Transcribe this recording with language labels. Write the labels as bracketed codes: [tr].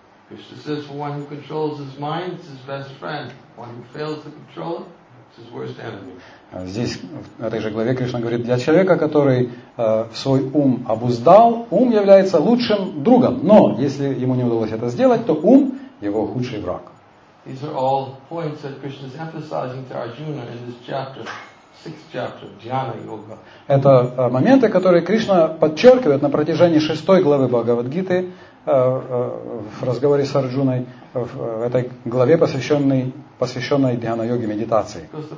[en] Krishna says, for one who controls his mind, it's his best friend. One who fails to control it, it's his worst enemy. [ru] Здесь, в этой же главе, Кришна говорит, для человека, который свой ум обуздал, ум является лучшим другом. Но, если ему не удалось это сделать, то ум его худший враг. [en] These are all points that Krishna is emphasizing to Arjuna in this chapter, sixth chapter, Dhyana Yoga. [ru] Это моменты, которые Кришна подчеркивает на протяжении шестой главы Бхагавад-гиты, в разговоре с Арджуной в этой главе, посвященной дхьяна-йоге, медитации.